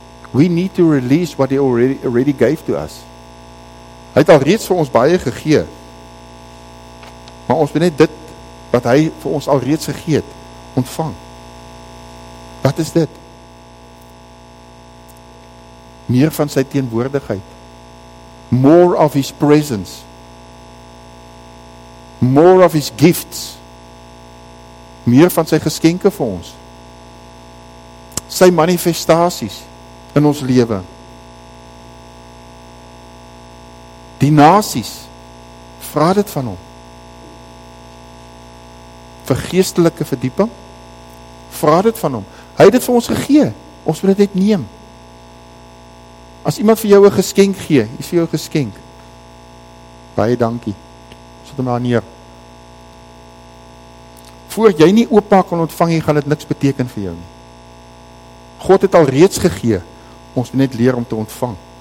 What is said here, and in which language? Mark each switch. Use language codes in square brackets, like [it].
[en] We need to release what he already gave to us. [af] Hy het alreeds vir ons baie gegee. Maar ons moet net dit wat hy vir ons alreeds gegee het, ontvang. Wat is dit? Meer van sy teenwoordigheid. [en] More of his presence. More of his gifts. [af] Meer van sy geskenke vir ons. Sy manifestasies in ons lewe. Die nasies, vra dit van hom. Vir geestelike verdieping, vra dit van hom. Hy het dit vir ons gegee. Ons moet dit net neem. As iemand vir jou 'n geskenk gee, is vir jou 'n geskenk. Baie dankie. Sit hom daar neer. Voor jy nie oopmaak en ontvang, gaan dit niks beteken vir jou nie. God het alreeds gegee, ons moet net leer om te ontvang.